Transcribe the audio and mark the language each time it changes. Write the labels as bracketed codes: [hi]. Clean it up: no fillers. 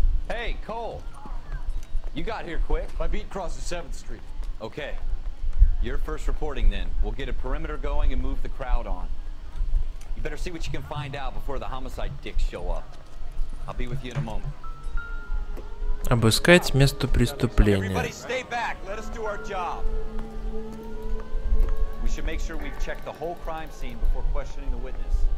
[en] Hey, Cole. You got here quick. My beat crosses 7th Street. Okay. You're first reporting, then. We'll get a perimeter going and move the crowd on. You better see what you can find out before the homicide dicks show up. I'll be with you in a moment. [ru] Обыскать место преступления. [en] Everybody stay back. Let us do our job. We should make sure we've checked the whole crime scene before questioning the witness.